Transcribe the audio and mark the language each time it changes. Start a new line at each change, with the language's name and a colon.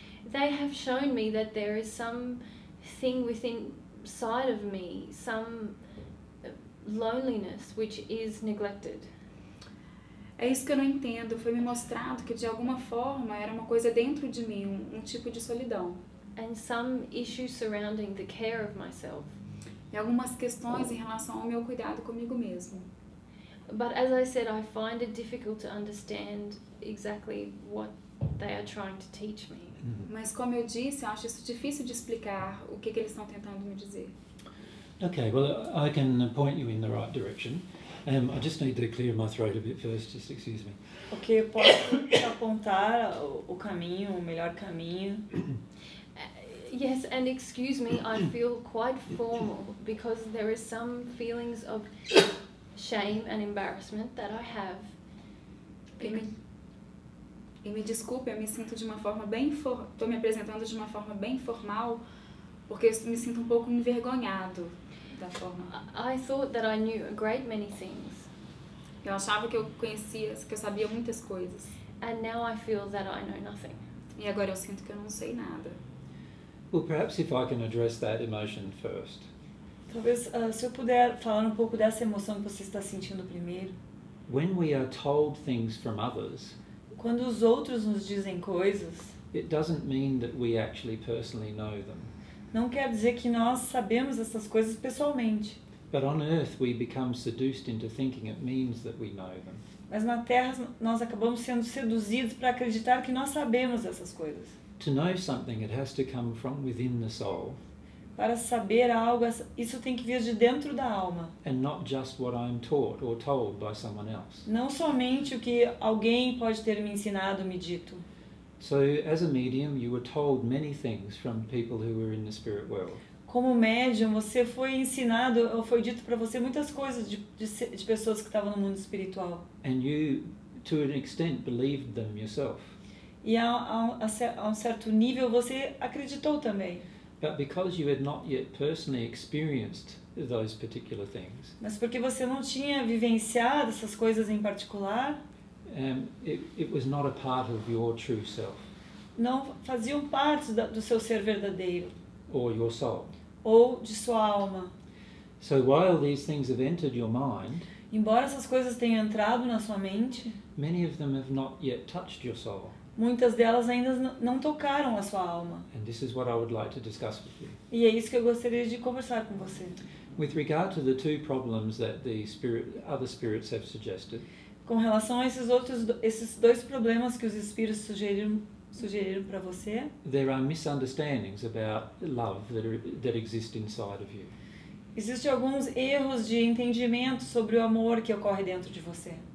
English: They have shown me that there is some thing within side of me, some loneliness which is neglected.
Portuguese: É isso que eu não entendo. Foi me mostrado que de alguma forma era uma coisa dentro de mim, um tipo de solidão.
English: And some issue surrounding the care of myself.
Portuguese: E algumas questões em relação ao meu cuidado comigo mesmo.
English: But as I said, I find it difficult to understand exactly what they are trying to teach me.
Portuguese: Mas como eu disse, eu acho isso difícil de explicar o que eles estão tentando me dizer.
English: Okay, well, I can point you in the right direction. I just need to clear my throat a bit first, just excuse me.
Portuguese: Okay, eu posso te apontar o caminho, o melhor caminho.
English: Yes, and excuse me, I feel quite formal because there is some feelings of shame and embarrassment that I have.
Portuguese: E me desculpe, eu me sinto de uma forma bem formal, estou me apresentando de uma forma bem formal, porque eu me sinto um pouco envergonhado da forma.
English: I thought that I knew a great many things.
Portuguese: Eu achava que eu conhecia, que eu sabia muitas coisas.
English: And now I feel that I know nothing.
Portuguese: E agora eu sinto que eu não sei nada.
English: Well, perhaps if I can address that emotion first.
Portuguese: Talvez se eu puder falar um pouco dessa emoção que você está sentindo primeiro.
English: When we are told things from others,
Portuguese: quando os outros nos dizem coisas,
English: it doesn't mean that we actually personally know them.
Portuguese: Não quer dizer que nós sabemos essas coisas pessoalmente.
English: But on earth we become seduced into thinking it means that we know them.
Portuguese: Mas na Terra nós acabamos sendo seduzidos para acreditar que nós sabemos essas coisas.
English: To know something, it has to come from within the soul.
Portuguese: Para saber algo, isso tem que vir de dentro da alma.
English: And not just what I'm taught or told by someone else.
Portuguese: Não somente o que alguém pode ter me ensinado, me dito.
English: So, as a medium, you were told many things from people who were in the spirit world.
Portuguese: Como médium, você foi ensinado, ou foi dito para você muitas coisas de pessoas que estavam no mundo espiritual.
English: And you, to an extent, believed them yourself.
Portuguese: E a um certo nível, você acreditou também.
English: But because you had not yet personally experienced those particular things.
Portuguese: Mas porque você não tinha vivenciado essas coisas em particular.
English: It was not a part of your true self.
Portuguese: Não faziam parte do seu ser verdadeiro.
English: Or your soul.
Portuguese: Ou de sua alma.
English: So while these things have entered your mind.
Portuguese: Embora essas coisas tenham entrado na sua mente.
English: Many of them have not yet touched your soul.
Portuguese: Muitas delas ainda não tocaram a sua alma.
English: And this is what I would like to discuss with you.
Portuguese: E é isso que eu gostaria de conversar com você.
English: With regard to the two problems that the spirit, other spirits have suggested.
Portuguese: Com relação a esses dois problemas que os espíritos sugeriram para você.
English: There are misunderstandings about love that exist inside of you.
Portuguese: Existem alguns erros de entendimento sobre o amor que ocorre dentro de você.